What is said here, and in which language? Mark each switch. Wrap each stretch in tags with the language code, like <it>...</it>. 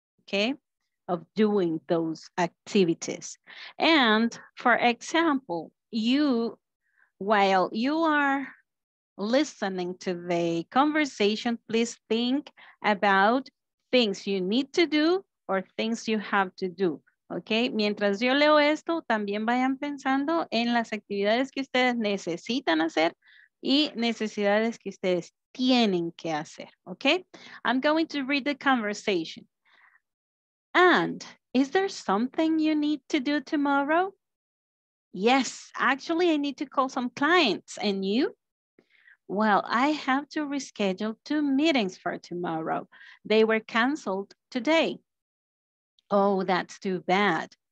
<en>Okay, of doing those activities. And for example, you, while you are listening to the conversation, please think about things you need to do or things you have to do. ¿Ok?</en> <es>Mientras yo leo esto, también vayan pensando en las actividades que ustedes necesitan hacer y necesidades que ustedes tienen que hacer.</es> <en>¿Ok? I'm going to read the conversation. And is there something you need to do tomorrow? Yes, actually, I need to call some clients. And you? Well, I have to reschedule two meetings for tomorrow. They were canceled today. Oh, that's too bad.</en>